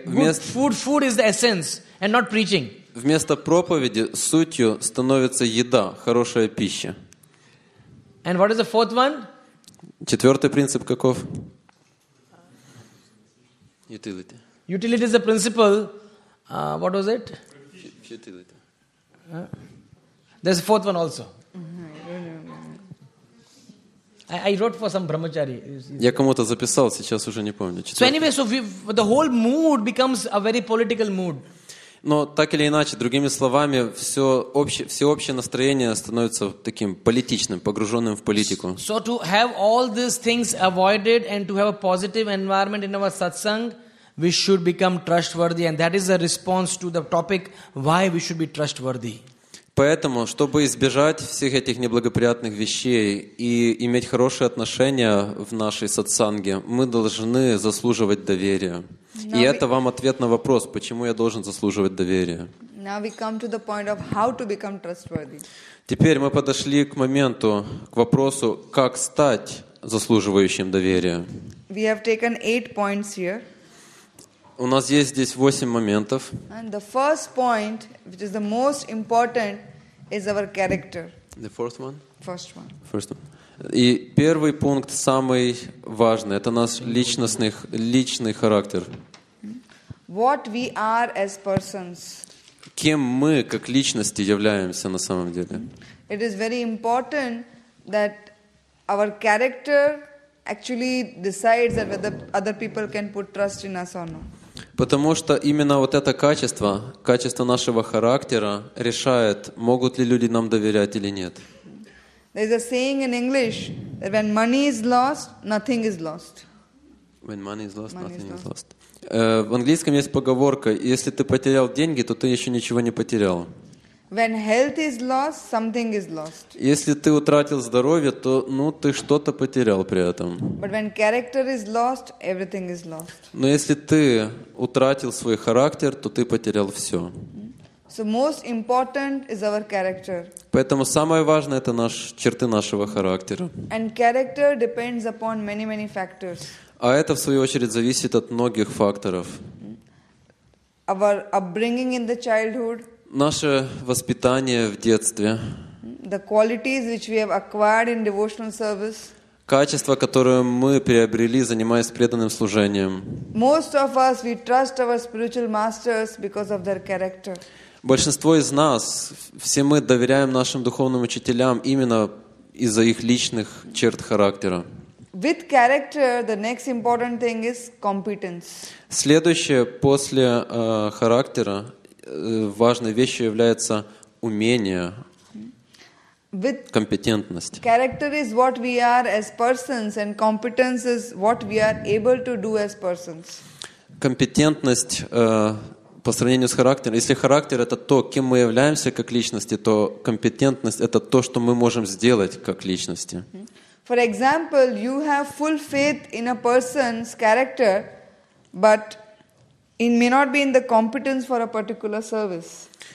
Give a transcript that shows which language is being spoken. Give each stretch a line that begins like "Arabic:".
English: food is the essence and not preaching.
Russian: Вместо проповеди сутью становится еда, хорошая пища.
English: And what is the fourth one?
Russian: Четвёртый принцип каков?
English: Utility. Utility is the principle. What was it? Futility. There's a fourth one also. I wrote for some brahmachari.
Russian: Я кому-то записал, сейчас уже не помню.
English: So anyway, so the whole mood becomes a very political mood.
Russian: Но так или иначе, другими словами, всеобщее настроение становится таким политичным, погруженным в политику.
English: So to have all these things avoided and to have a positive environment in our satsang, we should become trustworthy, and that is a response to the topic why we should be trustworthy.
Russian: Поэтому, чтобы избежать всех этих неблагоприятных вещей и иметь хорошие отношения в нашей сатсанге, мы должны заслуживать доверия. И это вам ответ на вопрос, почему я должен заслуживать доверия.
English: Now we come to the point of how to become trustworthy.
Russian: Теперь мы подошли к моменту, к вопросу, как стать заслуживающим доверия.
English: We have taken 8 points here.
Russian: У нас есть здесь 8 моментов.
English: And the first point, which is the most important, is our character. The fourth one? First one. First one.
Russian: И первый пункт, самый важный, это наш личный характер.
English: What we are as persons.
Russian: Кем мы как личности являемся на самом деле?
English: It is very important that our character actually decides that whether other people can put trust in us or not.
Russian: Потому что именно вот это качество нашего характера решает, могут ли люди нам доверять или нет.
English: There's a saying in English that when money is lost, nothing is lost. When money is lost, money nothing is lost.
Russian: В английском есть поговорка: если ты потерял деньги, то ты еще ничего не потерял.
English: When health is lost, something is lost.
Russian: Если ты утратил здоровье, то, ну, ты что-то потерял при этом.
English: But when character is lost, everything is lost.
Russian: Но если ты утратил свой характер, то ты потерял все.
English: So most important is our character.
Russian: Поэтому самое важное это черты нашего характера.
English: And character depends upon many, many factors.
Russian: А это в свою очередь зависит от многих факторов.
English: Our upbringing in the childhood.
Russian: Наше воспитание в детстве.
English: The qualities which we have acquired in devotional service.
Russian: Качества, которые мы приобрели, занимаясь преданным служением.
English: Most of us we trust our spiritual masters because of their character.
Russian: Большинство из нас, все мы доверяем нашим духовным учителям именно из-за их личных черт характера.
English: With character, the next important thing is competence.
Russian: Следующее после характера важной вещью является умение, компетентность.
English: Character is what we are as persons, and competence is what we are able to do as persons.
Russian: Компетентность по сравнению с характером. Если характер — это то, кем мы являемся как личности, то компетентность — это то, что мы можем сделать как личности.
English: For example, you have full faith in a person's character, but it may not be in the competence for a particular service.